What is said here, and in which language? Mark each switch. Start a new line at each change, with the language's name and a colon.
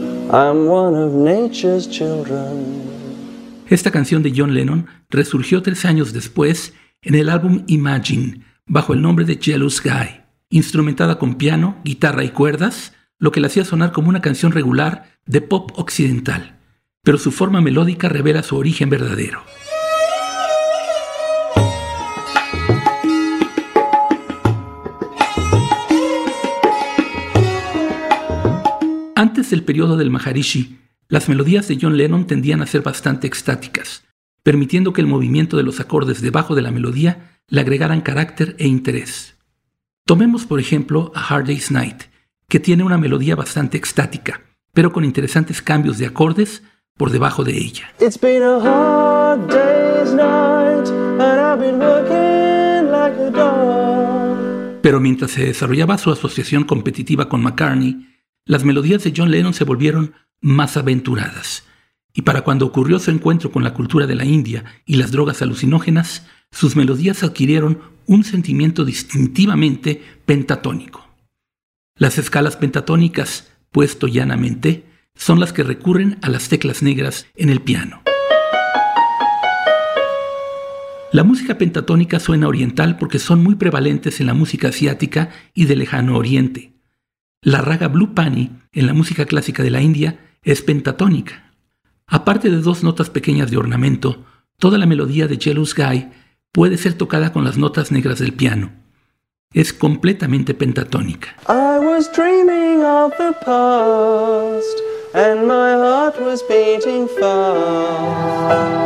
English: I'm one of nature's children.
Spanish: Esta canción de John Lennon resurgió 3 años después en el álbum Imagine, bajo el nombre de Jealous Guy, instrumentada con piano, guitarra y cuerdas, lo que la hacía sonar como una canción regular de pop occidental. Pero su forma melódica revela su origen verdadero. Antes del periodo del Maharishi, las melodías de John Lennon tendían a ser bastante extáticas, permitiendo que el movimiento de los acordes debajo de la melodía le agregaran carácter e interés. Tomemos por ejemplo A Hard Day's Night, que tiene una melodía bastante extática, pero con interesantes cambios de acordes por debajo de ella.
English: It's been a hard day's night, and I've been working like a dog.
Spanish: Pero mientras se desarrollaba su asociación competitiva con McCartney, las melodías de John Lennon se volvieron más aventuradas. Y para cuando ocurrió su encuentro con la cultura de la India y las drogas alucinógenas, sus melodías adquirieron un sentimiento distintivamente pentatónico. Las escalas pentatónicas, puesto llanamente, son las que recurren a las teclas negras en el piano. La música pentatónica suena oriental porque son muy prevalentes en la música asiática y de lejano oriente. La raga Blue Pani en la música clásica de la India es pentatónica. Aparte de 2 notas pequeñas de ornamento, toda la melodía de Jealous Guy puede ser tocada con las notas negras del piano. Es completamente pentatónica.
English: I was dreaming of the past, and my heart was beating fast.